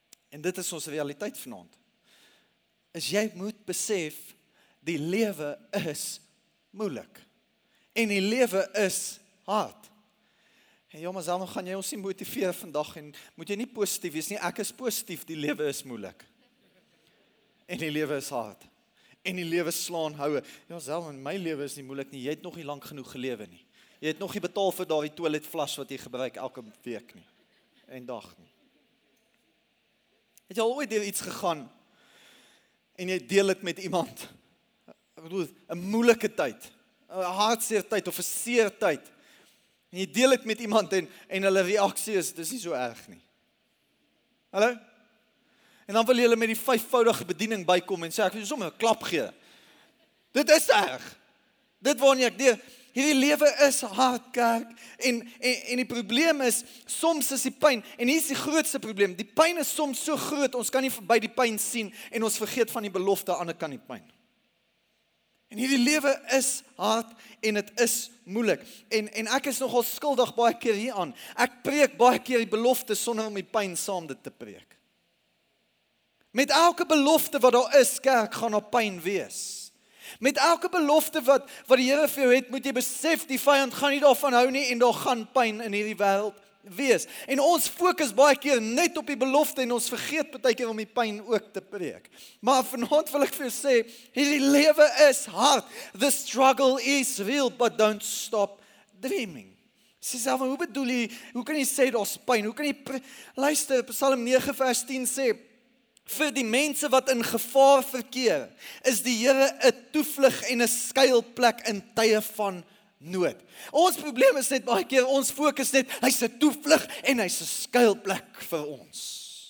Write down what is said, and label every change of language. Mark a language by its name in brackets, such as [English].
[Afrikaans] En dit is ons realiteit vanavond, is jy moet besef, die lewe is moeilik, en die lewe is hard, en jammer zelf, gaan jy ons nie motiveer vandag, en moet jy nie positief wees nie, ek is positief, die lewe is moeilik, en die lewe is hard, en die lewe slaan houwe, ja zelf, in my lewe is nie moeilik nie, jy het nog nie lang genoeg gelewe nie, jy het nog nie betaal vir daardie toilet flush wat jy gebruik elke week nie, en dag nie. Het jy al ooit deur iets gegaan, en jy deel het met iemand, ek bedoel, een moeilike tyd, een hartseer tyd, of een seer tyd, en jy deel het met iemand, en hulle reaksie is, dis nie so erg nie. Hallo? En dan wil jy hulle met die vyfvoudige bediening bykom, en sê, ek wil jy sommer een klap gee. Dit is erg. Dit waarin ek deel, hierdie lewe is hard, kerk, en die probleem is, soms is die pyn, en hier is die grootste probleem, die pyn is soms so groot, ons kan nie by die pyn sien, en ons vergeet van die belofte, ander kan die pyn. En hierdie lewe is hard, en het is moeilik, en ek is nogal skuldig baie keer hier aan, ek preek baie keer die belofte, sonder om die pyn saam dit te preek. Met elke belofte wat daar is, kerk, gaan daar pyn wees. Met elke belofte wat die Here vir jou het, moet jy besef, die vyand gaan nie daarvan hou nie, en daar gaan pyn in hierdie wêreld wees. En ons fokus baie keer net op die belofte, en ons vergeet baie keer om die pyn ook te preek. Maar vanavond wil ek vir jou sê, hierdie lewe is hard. [English] The struggle is real, but don't stop dreaming. [Afrikaans] Sê self, hoe bedoel jy, hoe kan jy sê, daar's pyn? Hoe kan jy, luister, Psalm 9 vers 10 sê, vir die mense wat in gevaar verkeer, is die Here 'n toevlug en 'n skuilplek in tye van nood. Ons probleem is net baie keer, ons fokus net, hy is 'n toevlug en hy is 'n skuilplek vir ons.